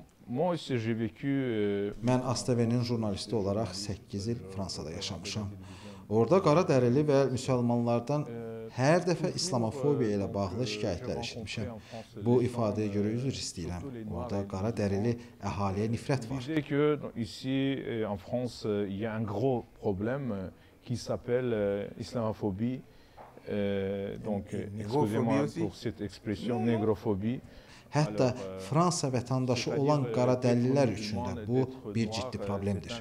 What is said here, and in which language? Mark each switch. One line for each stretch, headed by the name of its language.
Azerbaijani: Mən ASTV-nin jurnalisti olaraq 8 il Fransada yaşamışam. Orada qara dərili və müsəlmanlardan hər dəfə islamofobiya ilə bağlı şikayətlər eşitmişəm. Bu ifadəyə görə üzr istəyirəm. Orada qara dərili əhaliyə nifrət var. Dizek ki,
French: ici en France, il y a un gros problème qui s'appelle islamophobie. Donc, excusez-moi pour cette expression négrophobie.
Azerbaijani: Hətta Fransa vətəndaşı olan qara dəlilər üçün də bu bir ciddi problemdir.